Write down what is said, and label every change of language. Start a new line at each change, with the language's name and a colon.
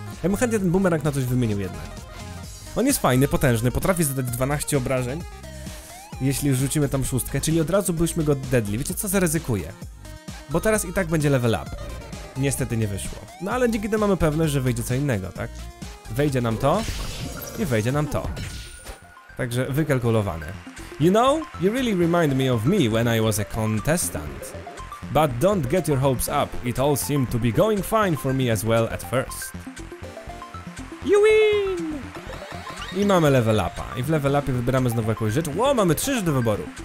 Polish: Ja bym chętnie ten bumerang na coś wymienił jednak. On jest fajny, potężny, potrafi zadać 12 obrażeń. Jeśli już rzucimy tam szóstkę, czyli od razu byśmy go deadli. Wiecie co, zaryzykuję. Bo teraz i tak będzie level up. Niestety nie wyszło. No ale dzięki temu mamy pewność, że wyjdzie co innego, tak? Wejdzie nam to i wejdzie nam to. Także wykalkulowane.
English: You know, you really remind me of me when I was a contestant. But don't get your hopes up, it all seemed to be going fine for me as well at first. You win!
Polish: I mamy level upa. I w level upie wybieramy znowu jakąś rzecz. Ło, mamy trzy rzeczy do wyboru.